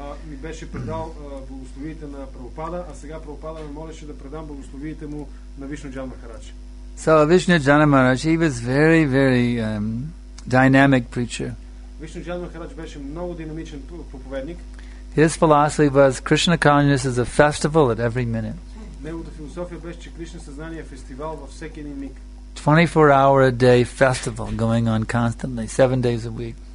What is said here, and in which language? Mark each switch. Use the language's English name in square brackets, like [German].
[Bulgarian] Ми беше предал благословиите на Прабхупада, а сега Прабхупада ме молеше да предам благословиите му на Вишну Джана Махарадж. [English] So Vishnu Jana Maharaj, he was very, very dynamic preacher. [Bulgarian] Вишну Джана Махарадж беше много динамичен проповедник. [English] His philosophy was Krishna consciousness is a festival at every minute. [Bulgarian] Неговата философия беше, че Кришна съзнание е фестивал във всеки един миг. [English] 24 hour a day festival going on constantly, 7 days a week.